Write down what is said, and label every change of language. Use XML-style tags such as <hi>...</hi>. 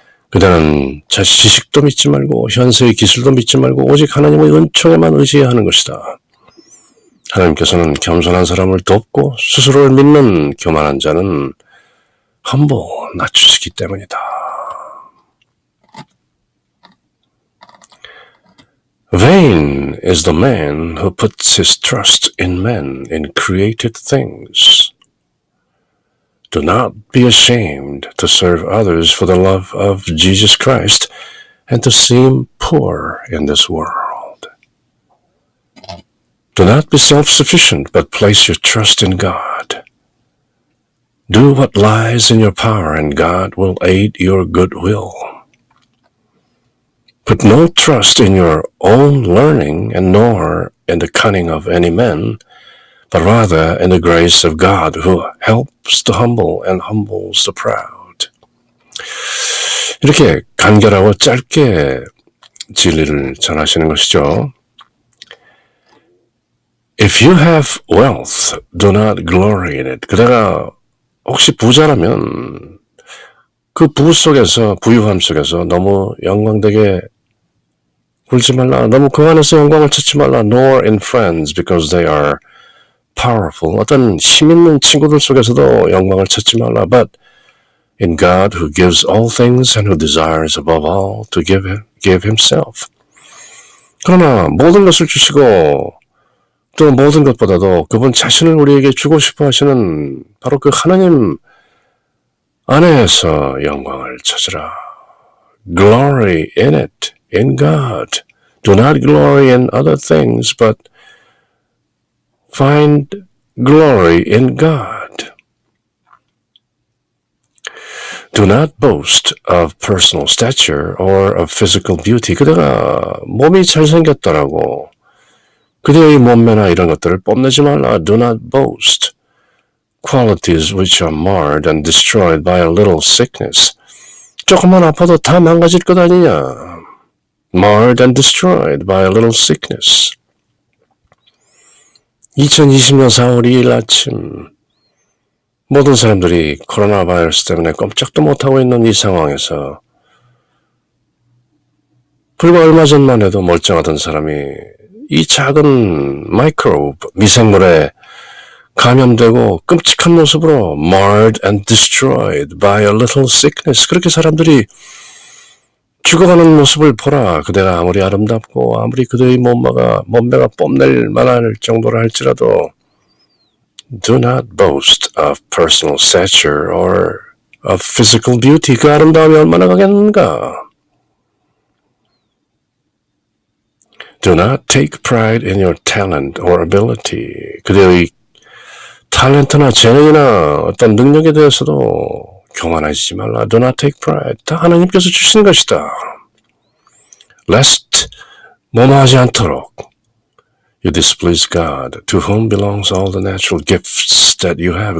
<ko>그대는 지식도 믿지 말고 현세의 기술도 믿지 말고 오직 하나님의 은총에만 의지해야 하는 것이다. 하나님께서는 겸손한 사람을 돕고 스스로를 믿는 교만한 자는 함부로 낮추시기 때문이다.</ko> <en>Vain is the man who puts his trust in men, in created things. Do not be ashamed to serve others for the love of Jesus Christ and to seem poor in this world. Do not be self-sufficient, but place your trust in God. Do what lies in your power and God will aid your good will. Put no trust in your own learning and nor in the cunning of any man, but rather in the grace of God who helps the humble and humbles the proud.</en> <ko>이렇게 간결하고 짧게 진리를 전하시는 것이죠.</ko> <en>If you have wealth, do not glory in it.</en> <ko>그대가 혹시 부자라면 그 부 속에서, 부유함 속에서 너무 영광되게 울지 말라. 너무 그 안에서 영광을 찾지 말라.</ko> <en>Nor in friends, because they are powerful.</en> <ko>어떤 힘 있는 친구들 속에서도 영광을 찾지 말라.</ko> <en>But in God, who gives all things and who desires above all to give himself.</en> <ko>그러나 모든 것을 주시고 또 모든 것보다도 그분 자신을 우리에게 주고 싶어 하시는 바로 그 하나님 안에서 영광을 찾으라.</ko> <en>Glory in it. In God, do not glory in other things, but find glory in God. Do not boast of personal stature or of physical beauty.</en> <ko>그대가 몸이 잘생겼더라고. 그대의 몸매나 이런 것들을 뽐내지 말라.</ko> <en>Do not boast qualities which are marred and destroyed by a little sickness.</en> <ko>조금만 아파도 다 망가질 것 아니냐.</ko> <en>Marred and destroyed by a little sickness.</en> <ko>2020년 4월 2일 아침 모든 사람들이 코로나 바이러스 때문에 꼼짝도 못하고 있는 이 상황에서 불과 얼마 전만 해도 멀쩡하던 사람이 이 작은 마이크로브, 미생물에 감염되고 끔찍한 모습으로</ko> <en>marred and destroyed by a little sickness.</en> <ko>그렇게 사람들이 죽어가는 모습을 보라. 그대가 아무리 아름답고 아무리 그대의 몸매가 뽐낼 만할 정도라 할지라도</ko> <en>do not boast of personal stature or of physical beauty.</en> <ko>그 아름다움이 얼마나 가겠는가?</ko> <en>Do not take pride in your talent or ability.</en> <ko>그대의 탤런트나 재능이나 어떤 능력에 대해서도 교만하지 말라.</ko> <en>Do not take pride.</en> <ko>다 하나님께서 주신 것이다.</ko> <en>Lest</en> <ko>모마하지 않도록</ko> <en>you displease God, to whom belongs all the natural gifts that you have.</en>